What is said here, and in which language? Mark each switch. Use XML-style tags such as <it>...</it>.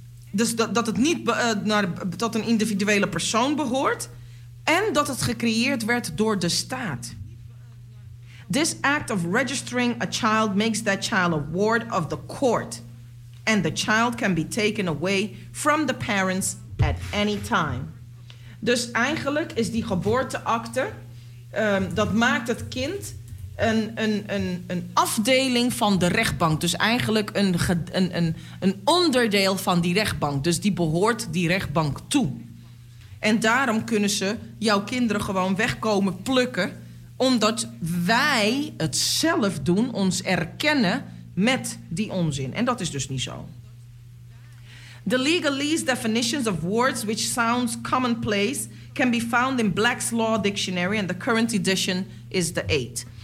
<nl>Dus dat het niet tot een individuele persoon behoort. En dat het gecreëerd werd door de staat.</nl> <en>This act of registering a child makes that child a ward of the court. And the child can be taken away from the parents at any time.</en> <nl>Dus eigenlijk is die geboorteakte, dat maakt het kind een afdeling van de rechtbank. Dus eigenlijk een onderdeel van die rechtbank. Dus die behoort die rechtbank toe. En daarom kunnen ze jouw kinderen gewoon wegkomen plukken. Omdat wij het zelf doen, ons erkennen met die onzin. En dat is dus niet zo.</nl> <en>The legalese definitions of words which sounds commonplace can be found in Black's Law Dictionary and the current edition is the 8.</en>